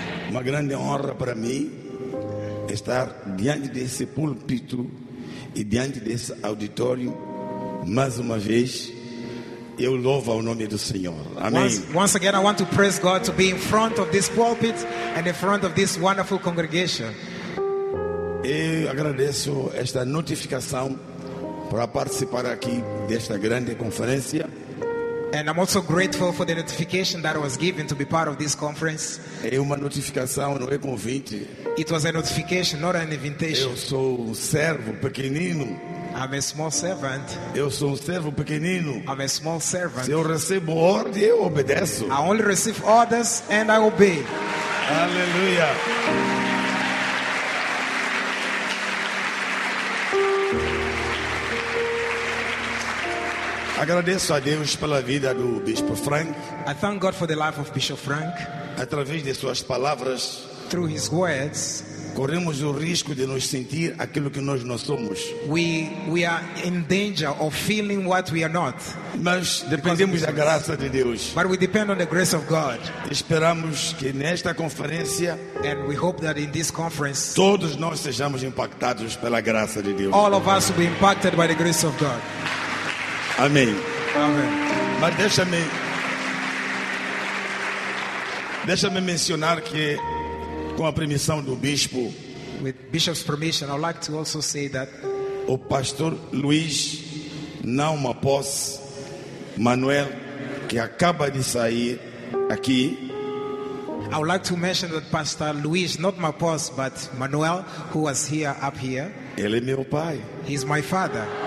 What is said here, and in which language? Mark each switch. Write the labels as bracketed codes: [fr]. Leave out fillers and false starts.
[pt] Uma grande honra para mim estar diante desse púlpito e diante desse auditório mais uma vez eu louvo ao nome do Senhor. Amém. [en] Once again, I want to praise God to be in front of this pulpit and in front of this wonderful congregation. [pt] Eu agradeço esta notificação para participar aqui desta grande conferência. [en] And I'm also grateful for the notification that was given to be part of this conference. [pt] É uma notificação, não é convite. [en] It was a notification, not an invitation. [pt] Eu sou um servo pequenino. [en] I'm a small servant. [pt] Eu sou um servo pequenino. [en] I'm a small servant. [pt] Se eu recebo ordem, eu obedeço. [en] I only receive orders and I obey. [pt] Aleluia. Agradeço a Deus pela vida do Bispo Frank. [en] I thank God for the life of Bishop Frank. [pt] Através de suas palavras, [en] through his words, [pt] corremos o risco de nos sentir aquilo que nós não somos. [en] We are in danger of feeling what we are not. [pt] Mas dependemos da graça de Deus. [en] But we depend on the grace of God. [pt] Esperamos que nesta conferência, [en] and we hope that in this conference, [pt] todos nós sejamos impactados pela graça de Deus. [en] All of us will be impacted by the grace of God. Amém. Amém. [pt] Mas deixa-me mencionar que, com a permissão do bispo, [en] with bishop's permission, I'd like to also say that [pt] o pastor Luiz não uma posse Manuel, que acaba de sair aqui, [en] I would like to mention that Pastor Luiz, not my boss, but Manuel, who was here, up here. [pt] Ele é meu pai. [en] He's my father.